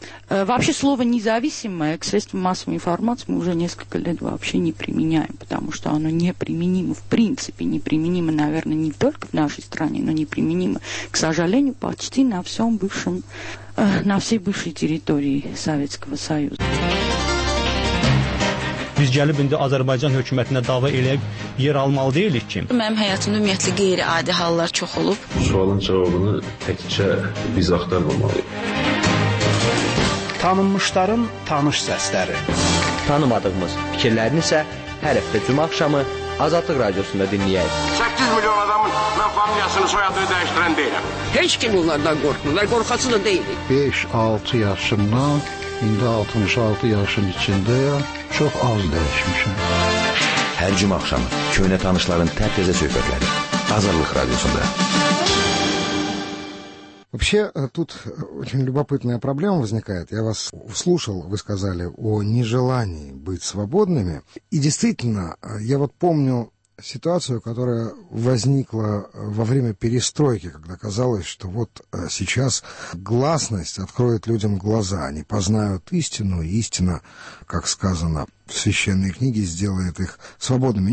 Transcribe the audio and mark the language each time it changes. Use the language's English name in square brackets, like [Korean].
[Russian] Вообще слово «независимое» к средствам массовой информации мы уже несколько лет вообще не применяем, потому что оно неприменимо в принципе, неприменимо, наверное, не только в нашей стране, но неприменимо, к сожалению, почти на всем бывшем, на всей бывшей территории Советского Союза. [Azerbaijani] Biz gəlib indi Azərbaycan hökumətinə dava eləyib yer almalı deyilik ki. Mənim həyatımda ümumiyyətlə qeyri-adi hallar çox olub. Bu sualın cavabını təkcə biz axtarmamalıyıq. Tanınmışların tanış səsləri. Tanımadığımız fikirlərini isə hər həftə cümə axşamı Azadlıq Radiosunda dinləyək. 8 milyon adamın mən familiyasını, soyadını dəyişdirən deyiləm. Heç kim onlardan qorxmurlar, qorxası da deyilik. 5-6 yaşından indi 66 yaşın içindəyəm. Çox az dəyişmişim. Hər cümə axşamı köhnə tanışların tərtəzə söhbətləri. Azadlıq Radiosunda. [Russian] Вообще, тут очень любопытная проблема возникает. Я вас услышал, вы сказали о нежелании быть свободными. И действительно, я вот помню ситуацию, которая возникла во время перестройки, когда казалось, что вот сейчас гласность откроет людям глаза, они познают истину, и истина, как сказано в священной книге, сделает их свободными.